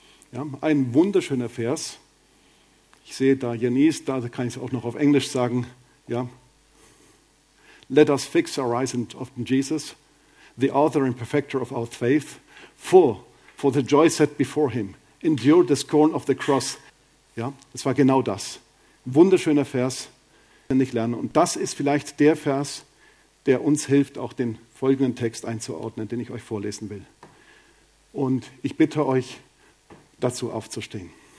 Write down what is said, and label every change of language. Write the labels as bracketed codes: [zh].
[de] Ja, ein wunderschöner Vers. Ich sehe da Janice, da kann ich es auch noch auf Englisch sagen. Ja. [en] Let us fix our eyes on Jesus, the author and perfecter of our faith, for the joy set before him, endure the scorn of the cross. [de] Ja, es war genau das. Ein wunderschöner Vers, den ich lerne. Und das ist vielleicht der Vers, der uns hilft, auch den folgenden Text einzuordnen, den ich euch vorlesen will. Und ich bitte euch, dazu aufzustehen.